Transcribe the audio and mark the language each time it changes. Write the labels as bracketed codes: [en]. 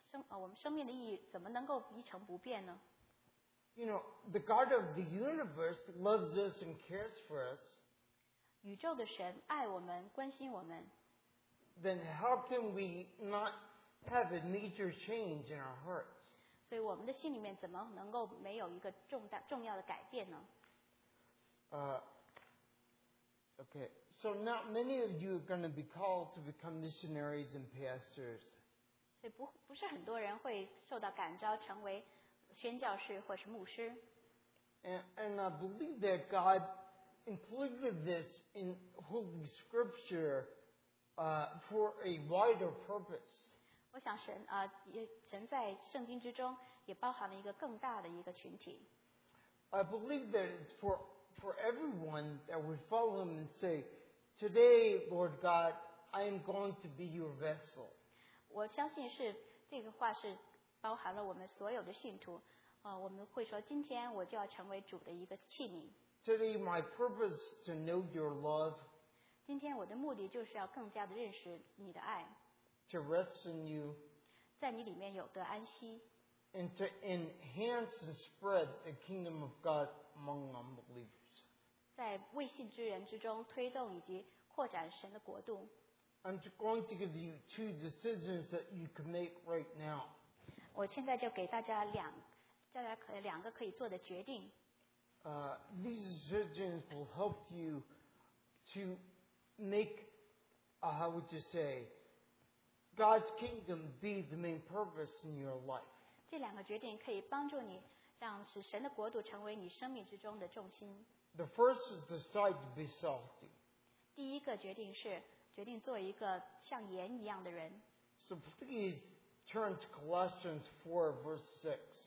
[zh] 我们生命的意义怎么能够一成不变呢？ [en] You know, the God of the universe loves us and cares for us. [zh] 宇宙的神爱我们，关心我们。 [en] Then how can we not have a major change in our hearts? [zh] 所以我们的心里面怎么能够没有一个重要的改变呢？ [en] Okay, so not many of you are going to be called to become missionaries and pastors. [zh] 所以不是很多人会受到感召成为宣教士或是牧师。 [en] And I believe that God included this in Holy Scripture, for a wider purpose. [zh] 我想神啊，神在圣经之中也包含了一个更大的一个群体。 [en] I believe that it's for everyone that would follow Him and say, "Today, Lord God, I am going to be Your vessel." [zh] 我相信是这个话是包含了我们所有的信徒，我们会说今天我就要成为主的一个器皿。 [en] Today my purpose is to know Your love. [zh] 今天我的目的就是要更加的认识你的爱。 [en] To rest in you. [zh] 在你里面有得安息。 [en] And to enhance and spread the kingdom of God among unbelievers. [zh] 在未信之人之中推动以及扩展神的国度。 [en] I'm going to give you two decisions that you can make right now. [zh] 我现在就给大家两个可以做的决定。 [en] These decisions will help you to make, how would you say, God's kingdom be the main purpose in your life. [zh] 这两个决定可以帮助你让使神的国度成为你生命之中的重心。 [en] The first is decide to be salty. [zh] 第一个决定是决定做一个像盐一样的人。 [en] So please turn to Colossians 4 verse 6.